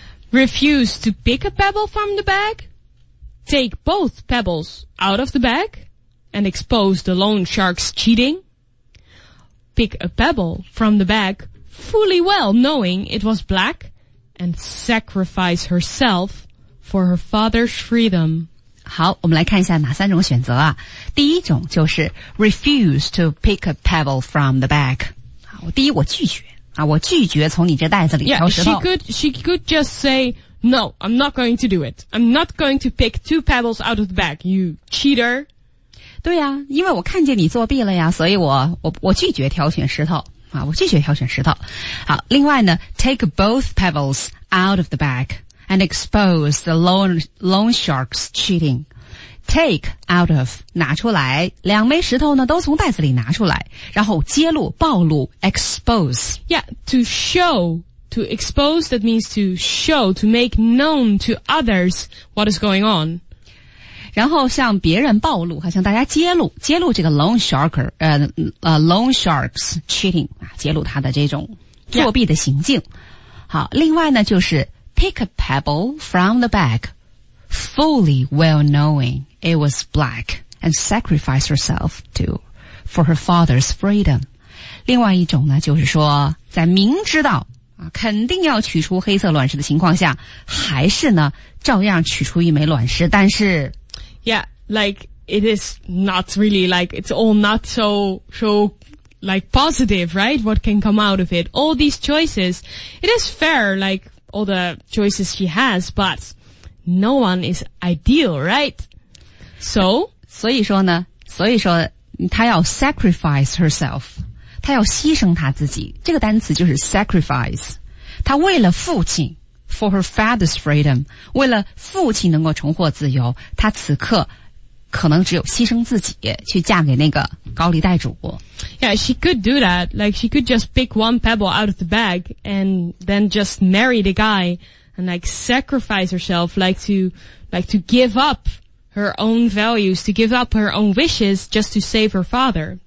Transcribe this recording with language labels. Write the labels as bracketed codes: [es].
[en] Refuse to pick a pebble from the bag, take both pebbles out of the bag and expose the loan shark's cheating, pick a pebble from the bag fully well knowing it was black, and sacrifice herself for her father's freedom. [zh] 好，我们来看一下哪三种选择啊。第一种就是 [en] refuse to pick a pebble from the bag。 [zh] 第一，我拒绝啊，我拒绝从你这袋子里挑石头。 [en] Yeah, she could just say, "No, I'm not going to do it. I'm not going to pick two pebbles out of the bag, you cheater." [zh] 对呀，因为我看见你作弊了呀，所以我拒绝挑选石头啊，我拒绝挑选石头。好，另外呢 [en] ，take both pebbles out of the bag and expose the loan shark's cheating. Take out of, [zh] 拿出来，两枚石头呢都从袋子里拿出来，然后揭露，暴露， expose. [en] Yeah, to show, to expose, that means to show, to make known to others what is going on. [zh] 然后向别人暴露，向大家揭露这个 [en] loan sharker, loan sharks cheating, [zh] 揭露他的这种作弊的行径。 [en] Yeah. [zh] 好，另外呢就是 [en] pick a pebble from the bag. Fully well knowing it was black and sacrifice herself too for her father's freedom. [zh] 另外一种呢就是说在明知道啊肯定要取出黑色卵石的情况下还是呢照样取出一枚卵石但是 [en] Yeah, like it is not really like it's all not so like positive, right? What can come out of it? All these choices, it is fair like all the choices she has, butNo one is ideal, right? So? [zh] 所以说她要 [en] sacrifice herself. [zh] 她要牺牲她自己。这个单词就是 sacrifice. 她为了父亲 [en] for her father's freedom, [zh] 为了父亲能够重获自由她此刻可能只有牺牲自己去嫁给那个高利贷主。 [en] Yeah, she could do that. Like, she could just pick one pebble out of the bag and then just marry the guy and, like, sacrifice herself, like to give up her own values, to give up her own wishes just to save her father.